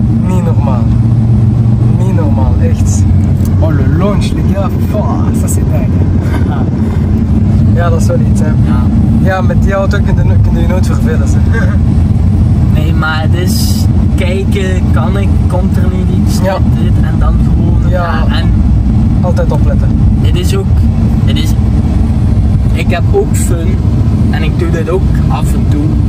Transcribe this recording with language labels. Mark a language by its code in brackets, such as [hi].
[nl] niet normaal. Niet normaal, echt. Oh, [fr] Oh, le launch, les gars, oh, ça c'est dingue. [nl] Ja, dat is wel iets, hè. Ja, ja, met die auto kun je nooit vervelen, zeg. Nee, maar het is kijken, kan ik, komt er niet iets, ja, dit en dan gewoon. Ja, en altijd opletten. Het is ook, het is, ik heb ook fun en ik doe dit ook af en toe.